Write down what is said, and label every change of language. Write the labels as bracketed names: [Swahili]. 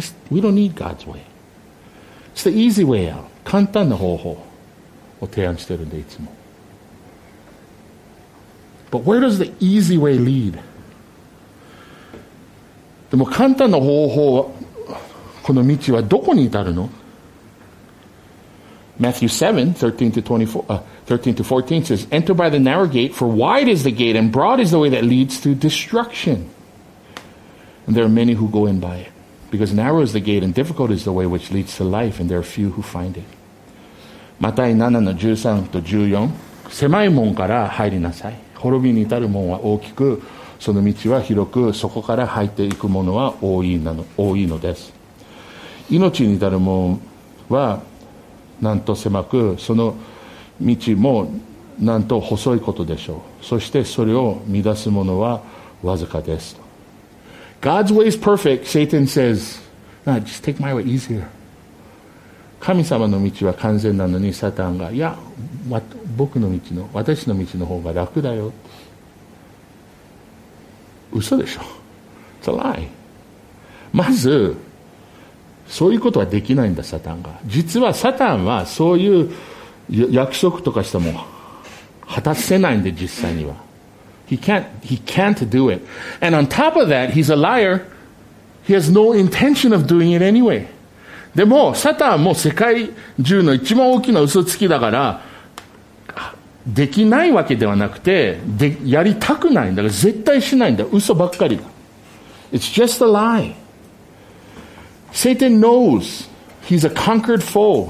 [English] Just, we don't need God's way. It's the easy way out. [Japanese] 簡単な方法を提案してるんで、いつも。 [English] But where does the easy way lead? [Japanese] でも簡単な方法は、この道はどこに至るの? [English] Matthew 7, 13-14 says, Enter by the narrow gate, for wide is the gate, and broad is the way that leads to destruction. And there are many who go in by it. Because narrow is the gate, and difficult is the way which leads to life, and there are few who find it. [Japanese] Matthew 7:13-14 狭い門から入りなさい。滅びに至る門は大きく、その道は広く、そこから入っていく者は多いのです。命に至る門はなんと狭く、その道もなんと細いことでしょう。そしてそれを乱す者はわずかです。 [English] God's way is perfect, Satan says. Nah, just take my way easier. [Japanese] 神様の道は完全なのに、サタンが、いや、私の道の方が楽だよ。嘘でしょ。 [English] It's a lie. [Japanese] まず、そういうことはできないんだ、サタンが。実はサタンはそういう約束とかしても果たせないんで、実際には。 [English] He can't do it. And on top of that, he's a liar. He has no intention of doing it anyway. [Japanese] でも、サタンも世界中の一番大きな嘘つきだから、できないわけではなくて、やりたくないんだから絶対しないんだ。嘘ばっかりだ。 [English] It's just a lie. Satan knows he's a conquered foe.